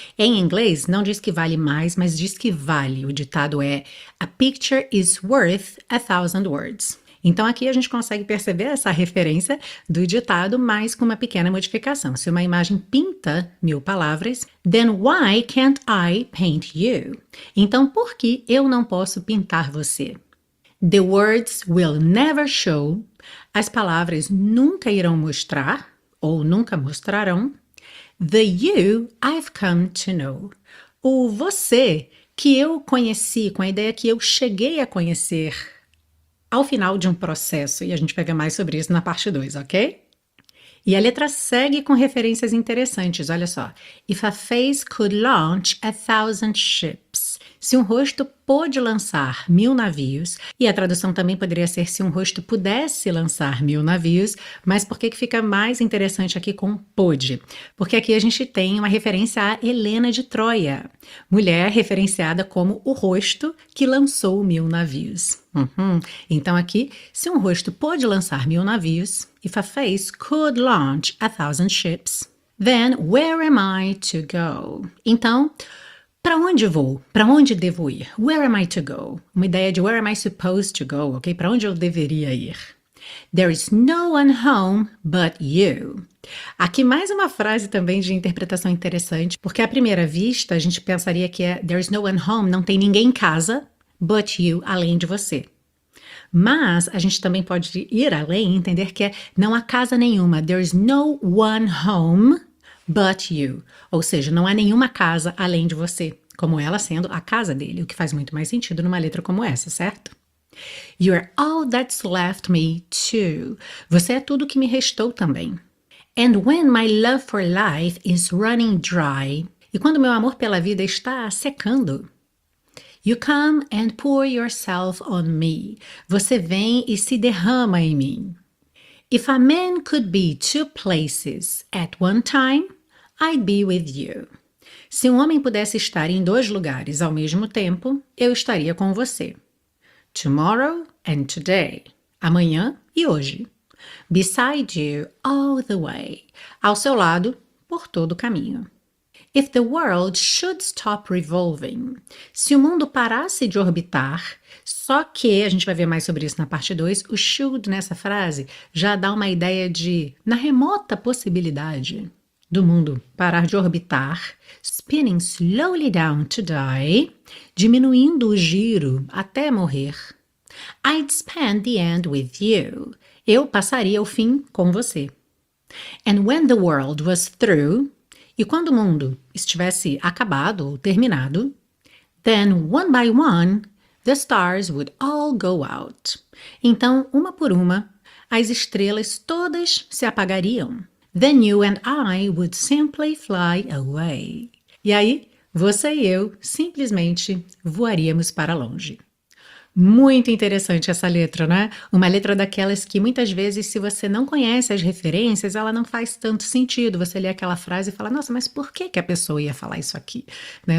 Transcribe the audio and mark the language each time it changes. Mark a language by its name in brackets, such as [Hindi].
[Portuguese] Em inglês, não diz que vale mais, mas diz que vale. O ditado é [English] A picture is worth a thousand words. [Portuguese] Então aqui a gente consegue perceber essa referência do ditado, mas com uma pequena modificação. Se uma imagem pinta 1.000 palavras, [English] then why can't I paint you? [Portuguese] Então por que eu não posso pintar você? [English] The words will never show. [Portuguese] As palavras nunca irão mostrar ou nunca mostrarão. [English] The you I've come to know. [Portuguese] O você que eu conheci com a ideia que eu cheguei a conhecer ao final de um processo, e a gente pega mais sobre isso na parte 2, ok? E a letra segue com referências interessantes, olha só. [English] If a face could launch a thousand ships. [Portuguese] Se um rosto pôde lançar 1.000 navios, e a tradução também poderia ser se um rosto pudesse lançar 1.000 navios, mas por que que fica mais interessante aqui com pôde? Porque aqui a gente tem uma referência à Helena de Troia, mulher referenciada como o rosto que lançou 1.000 navios. Então aqui, se um rosto pôde lançar 1.000 navios, [English] if a face could launch a thousand ships, then where am I to go? [Portuguese] Então, para onde vou? Para onde devo ir? [English] Where am I to go? [Portuguese] Uma ideia de [English] where am I supposed to go, [Portuguese] ok? Para onde eu deveria ir? [English] There is no one home but you. [Portuguese] Aqui mais uma frase também de interpretação interessante, porque à primeira vista a gente pensaria que é [English] there is no one home, [Portuguese] não tem ninguém em casa, [English] but you, [Portuguese] além de você. Mas a gente também pode ir além e entender que é não há casa nenhuma. [English] There is no one home but you. [Portuguese] Ou seja, não há nenhuma casa além de você, como ela sendo a casa dele, o que faz muito mais sentido numa letra como essa, certo? [English] You're all that's left me too. [Portuguese] Você é tudo que me restou também. [English] And when my love for life is running dry. [Portuguese] E quando meu amor pela vida está secando. [English] You come and pour yourself on me. [Portuguese] Você vem e se derrama em mim. [English] If a man could be two places at one time, I'd be with you. [Portuguese] Se um homem pudesse estar em dois lugares ao mesmo tempo, eu estaria com você. [English] Tomorrow and today. [Portuguese] Amanhã e hoje. [English] Beside you all the way. [Portuguese] Ao seu lado, por todo o caminho. [English] If the world should stop revolving, [Portuguese] se o mundo parasse de orbitar, só que, a gente vai ver mais sobre isso na parte 2, o should nessa frase já dá uma ideia de, na remota possibilidade do mundo parar de orbitar, [English] spinning slowly down to die, [Portuguese] diminuindo o giro até morrer, [English] I'd spend the end with you. [Portuguese] Eu passaria o fim com você. [English] And when the world was through, [Portuguese] e quando o mundo estivesse acabado ou terminado, [English] then one by one, the stars would all go out. [Portuguese] Então, uma por uma, as estrelas todas se apagariam. [English] Then you and I would simply fly away. [Portuguese] E aí, você e eu simplesmente voaríamos para longe. Muito interessante essa letra, né? Uma letra daquelas que muitas vezes, se você não conhece as referências, ela não faz tanto sentido. Você lê aquela frase e fala, nossa, mas por que que a pessoa ia falar isso aqui, né?